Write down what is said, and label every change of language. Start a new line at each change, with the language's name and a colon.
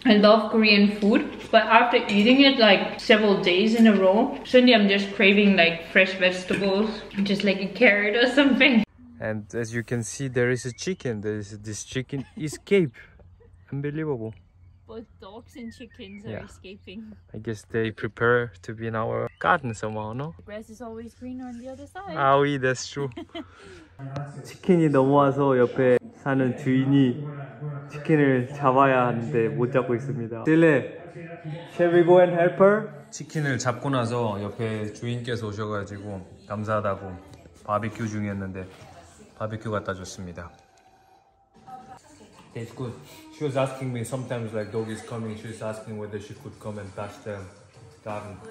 English: I love Korean food, but after eating it like several days in a row, suddenly I'm just craving like fresh vegetables, just like a carrot or something. And as you can see, there is a chicken. This chicken escaped. Unbelievable. Both dogs and chickens are escaping. I guess they prepare to be in our garden somehow, no? The grass is always greener on the other side. Ah, that's true.
Korean: 치킨이 넘어와서 옆에 사는 주인이 치킨을 잡아야 하는데 못 잡고 있습니다.
English: Sille, shall we go and help her?
Korean: 치킨을 잡고 나서 옆에 주인께서 오셔가지고 감사하다고 바비큐 중이었는데 바비큐 갖다 줬습니다.
English: It's good. She was asking me sometimes like dog is coming. She was asking whether she could come and touch the garden.